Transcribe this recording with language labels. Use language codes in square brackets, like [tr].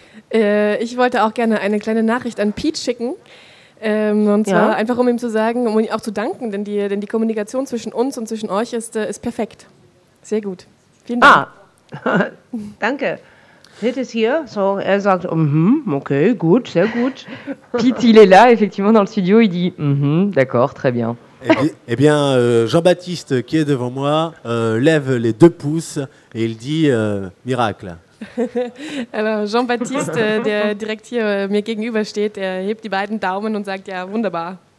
[de] Ich wollte auch gerne eine kleine Nachricht an Pete schicken. Und zwar einfach, um ihm zu sagen, um ihm auch zu danken, denn die Kommunikation zwischen uns und zwischen euch ist perfekt. Sehr gut. Vielen Dank. Ah, danke. Pete ist hier, so er sagt, okay, gut, sehr gut. [fr] Pete, il est là, effectivement, dans le studio, il dit, d'accord, très bien. Eh bien, Jean-Baptiste, qui est devant moi, lève les deux pouces et il dit, miracle. [de] Alors Jean-Baptiste, der direkt hier mir gegenüber steht, er hebt die beiden Daumen und sagt, ja, wunderbar.